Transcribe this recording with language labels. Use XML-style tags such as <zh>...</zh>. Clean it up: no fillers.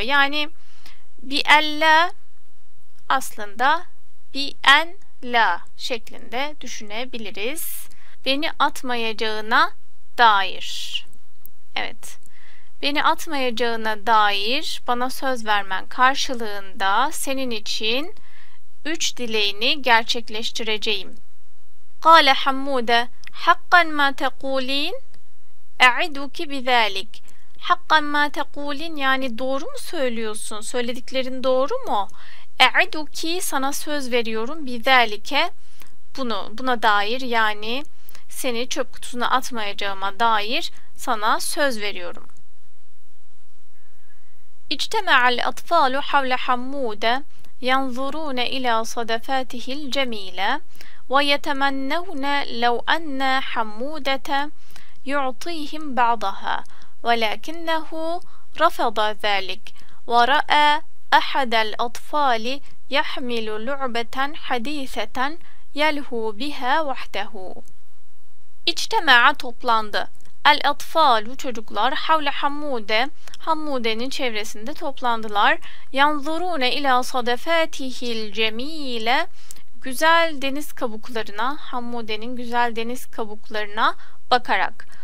<tr>Yani bi ella aslında bi en la şeklinde düşünebiliriz. Beni atmayacağına dair. Evet. Beni atmayacağına dair bana söz vermen karşılığında senin için üç dileğini gerçekleştireceğim.</tr> <ar>قال حمودة حقا ما تقولين أعدك بذلك. حقا ما تقولين,</ar> <tr>yani doğru mu söylüyorsun, söylediklerin doğru mu?</tr> <ar>أعدك,</ar> <tr>sana söz veriyorum. بذلك, bunu, buna dair, yani seni çöp kutusuna atmayacağıma dair sana söz veriyorum.</tr> <ar>اجتمع الأطفال حول حمودة ينظرون إلى صدفاته الجميلة ويتمنون لو أن حمودة يعطيهم بعضها ولكنه رفض ذلك ورأى أحد الأطفال يحمل لعبة حديثة يلهو بها وحده. اجتمع</ar> <tr>toplandı.</tr> <ar>الأطفال</ar> <tr>çocuklar</tr> <ar>حول حمودة, حمودة'nin</ar> <tr>çevresinde toplandılar.</tr> <ar>ينظرون إلى صدفاته الجميلة,</ar> <tr>güzel deniz kabuklarına, Hammude'nin güzel deniz kabuklarına bakarak.</tr>